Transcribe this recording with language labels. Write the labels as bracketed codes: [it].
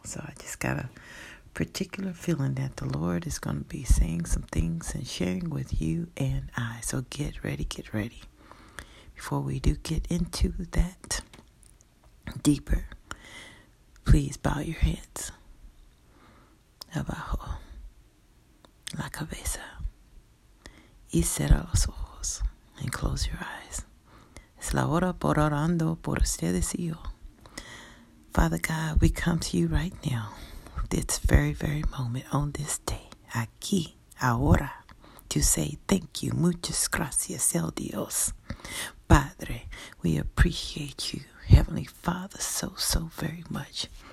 [en] So I just got a particular feeling that the Lord is going to be saying some things and sharing with you and I. So get ready. Before we do get into that deeper, please bow your heads. [es] Abajo la cabeza y cierra los ojos [en] and close your eyes. [es] Es la hora por orando por ustedes y yo. [en] Father God, we come to you right now. This very, very moment on this day, [es] aquí, ahora, [en] to say thank you, [es] muchas gracias, el Dios. [en] Padre, we appreciate you, Heavenly Father, so, so very much.